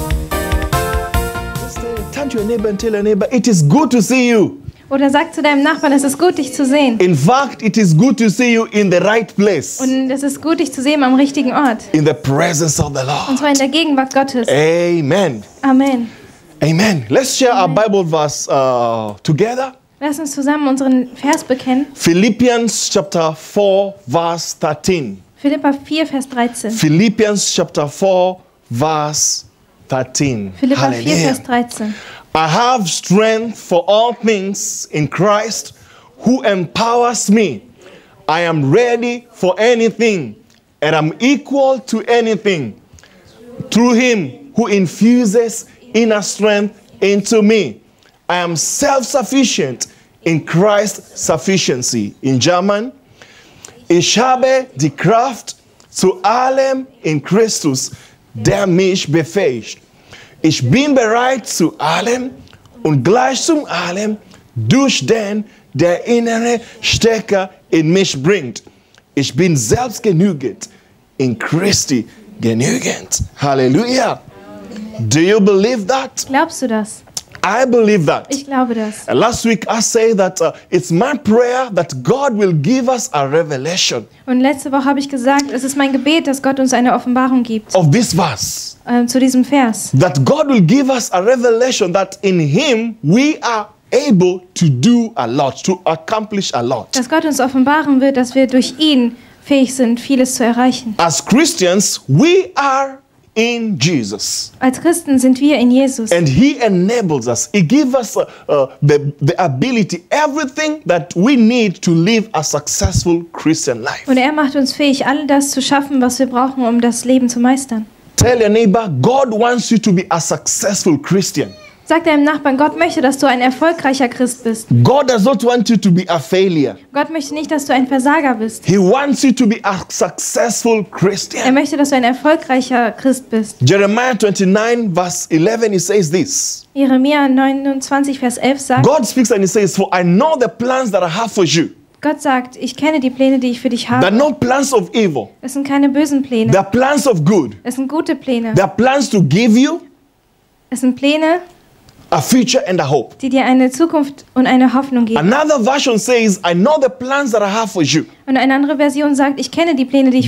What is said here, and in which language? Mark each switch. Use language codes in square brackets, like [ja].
[en] turn to your neighbor and tell your neighbor, it is good to see you. [de] Oder sag zu deinem Nachbarn, es ist gut, dich zu sehen. [en] In fact, it is good to see you in the right place. [de] Und es ist gut, dich zu sehen am richtigen Ort. [en] In the presence of the Lord. [de] Und zwar in der Gegenwart Gottes. [en] Amen. Amen. Amen. Let's share our Bible verse together. [de] Lass uns zusammen unseren Vers bekennen. [en] Philippians chapter 4, verse 13. [de] Philippa 4, Vers 13. [en] Philippians chapter 4, verse 13. [de] Philippa 4, Vers 13. [en] I have strength for all things in Christ who empowers me. I am ready for anything and I'm equal to anything through him who infuses inner strength into me. I am self-sufficient in Christ's sufficiency. In German, [de] ich habe die Kraft zu allem in Christus, der mich befähigt. Ich bin bereit zu allem und gleich zum allem durch den, der innere Stärke in mich bringt. Ich bin selbst genügend in Christi genügend. Halleluja. [en] Do you believe that? [de] Glaubst du das? [en] I believe that. [de] Ich glaube das. [en] Last week I say that it's my prayer that God will give us a revelation. [de] Und letzte Woche habe ich gesagt, es ist mein Gebet, dass Gott uns eine Offenbarung gibt. [en] Of this verse. [de] Zu diesem Vers. [en] That God will give us a revelation that in him we are able to do a lot, to accomplish a lot. [de] Dass Gott uns offenbaren wird, dass wir durch ihn fähig sind, vieles zu erreichen. [en] As Christians, we are in Jesus. [de] Als Christen sind wir in Jesus. [en] And he enables us. He gives us the ability, everything that we need to live a successful Christian life. [de] Und er macht uns fähig, all das zu schaffen, was wir brauchen, um das Leben zu meistern. [en] Tell your neighbor, God wants you to be a successful Christian. [de] Sag deinem Nachbarn, Gott möchte, dass du ein erfolgreicher Christ bist. [en] God does not want you to be a failure. [de] Gott möchte nicht, dass du ein Versager bist. [en] He wants you to be a successful Christian. [de] Er möchte, dass du ein erfolgreicher Christ bist. [en] Jeremiah 29, verse 11, he says this. [de] Jeremia 29, Vers 11 sagt, [en] God speaks and he says, for I know the plans that I have for you. [de] Gott sagt, ich kenne die Pläne, die ich für dich habe. [en] There are no plans of evil. [de] Es sind keine bösen Pläne. [en] There are plans of good. [de] Es sind gute Pläne. [en] There are plans to give you. [de] Es sind Pläne. [en] A future and a hope. [de] Die dir eine Zukunft und eine Hoffnung geben. [en] Another version says, I know the plans that I have for you. [de] Und eine andere Version sagt, ich kenne die Pläne, die ich